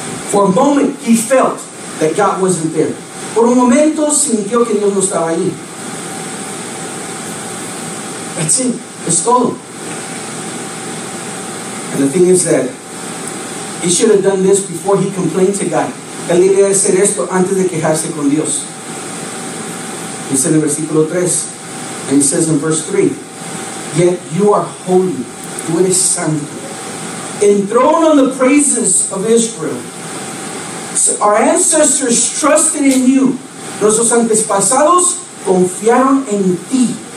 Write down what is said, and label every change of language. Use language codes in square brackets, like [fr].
[en] For a moment, he felt that God wasn't there. [es] Por un momento, sintió que Dios no estaba ahí. [en] That's it. It's todo. And the thing is that he should have done this before he complained to God. [es] Él debería hacer esto antes de quejarse con Dios. Dice en el versículo 3. [en] And he says in verse 3. Yet you are holy. [es] Tú eres santo. [en] enthroned on the praises of Israel. So our ancestors trusted in you. [es] Nuestros antepasados confiaron en ti.